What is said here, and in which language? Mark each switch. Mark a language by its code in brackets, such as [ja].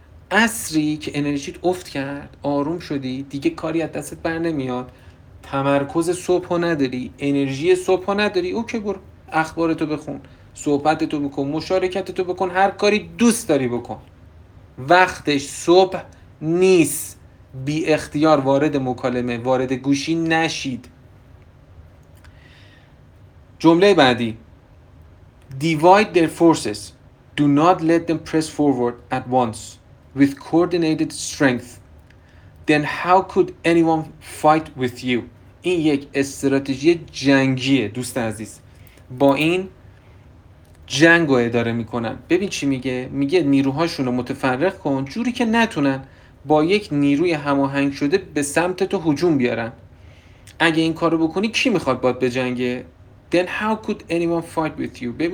[fa] عصری که انرژیت افت کرد، آروم شدی، دیگه کاری از دستت بر نمیاد، تمرکز صبحو نداری، انرژی صبحو نداری، اوکی برو اخبارتو بخون، صحبتتو بکن، مشارکتتو بکن، هر کاری دوست داری بکن، وقتش صبح نیست، بی اختیار وارد مکالمه، وارد گوشی نشید. جمله بعدی، [en] divide their forces, do not let them press forward at once with coordinated strength, then how could anyone fight with you. [fa] این یک استراتژی جنگیه دوست عزیز، با این جنگ رو اداره میکنن. ببین چی میگه، میگه نیروهاشون رو متفرق کن جوری که نتونن با یک نیروی هماهنگ شده به سمت تو هجوم بیارن. اگه این کارو بکنی کی میخواد باید به جنگه؟ [en] Then how could anyone fight with you?